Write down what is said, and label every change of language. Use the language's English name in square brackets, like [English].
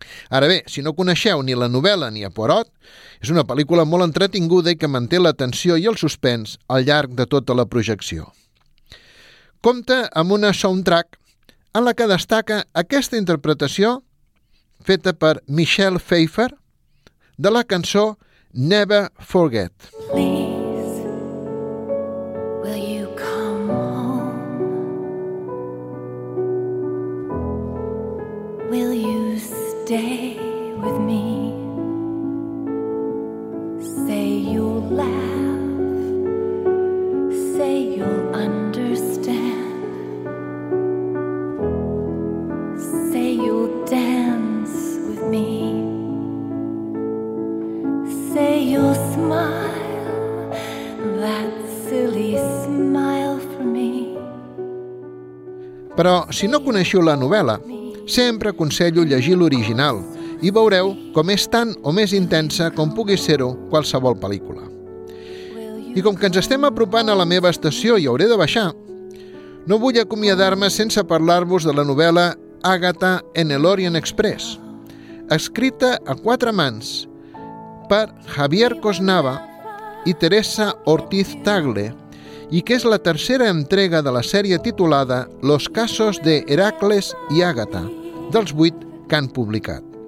[Catalan] Ara bé, si no coneixeu ni la novel·la ni a Poirot, és una pel·lícula molt entretinguda i que manté l'atenció i el suspens al llarg de tota la projecció. Compta amb una soundtrack en la que destaca aquesta interpretació feta per Michelle Pfeiffer de la cançó Never Forget. [English] Please, will you come home? Will you stay with me? Say you'll laugh, say you'll understand, say you'll dance with me. Say you'll smile, that silly smile for me. [Catalan] Però si no coneixeu la novel·la, sempre aconsello llegir l'original i veureu com és tan o més intensa com pugui ser-ho qualsevol pel·lícula. I com que ens estem apropant a la meva estació i hauré de baixar, no vull acomiadar-me sense parlar-vos de la novel·la Agatha en el Orient Express, escrita a quatre mans per Javier Cosnava i Teresa Ortiz Tagle, i que és la tercera entrega de la sèrie titulada Los casos de Heracles i Àgata, dels 8 que han publicat.